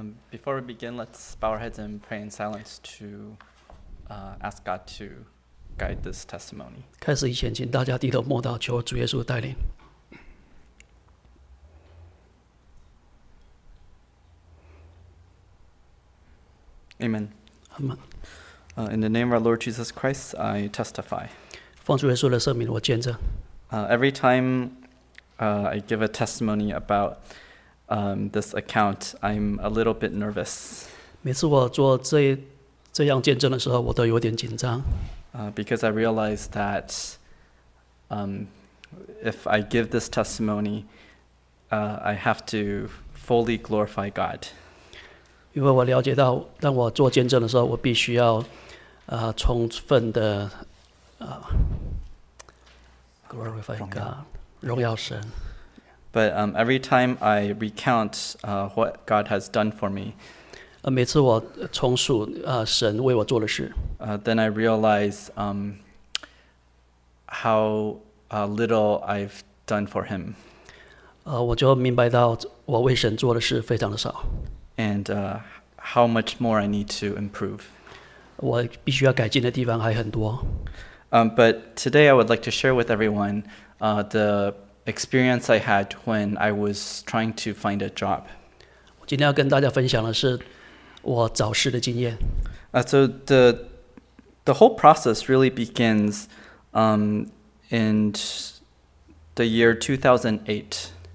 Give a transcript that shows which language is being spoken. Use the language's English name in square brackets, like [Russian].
[English] Before we begin, let's bow our heads and pray in silence to ask God to guide this testimony. [Chinese] 开始以前，请大家低头默祷，求主耶稣带领。 [English] Amen. Amen. In the name of our Lord Jesus Christ, I testify. [Chinese] 奉主耶稣的圣名，我见证。 [English] Every time I give a testimony about this account, I'm a little bit nervous. [Chinese] 每次我做这样见证的时候，我都有点紧张。 [English] Because I realize that if I give this testimony, I have to fully glorify God. [Chinese] 因为我了解到，当我做见证的时候，我必须要充分的 [English] glorify God, [Chinese] 荣耀神。 [English] But every time I recount what God has done for me, [Chinese] 每次我重述神为我做的事, [English] then I realize how little I've done for Him. [Chinese] 我就明白到我为神做的事非常的少。 [English] And how much more I need to improve. [Chinese] 我必须要改进的地方还很多。 [English] But today I would like to share with everyone the experience I had when I was trying to find a job. [Chinese] 我今天要跟大家分享的是我找事的经验。 [English] So the whole process really begins in the year 2008.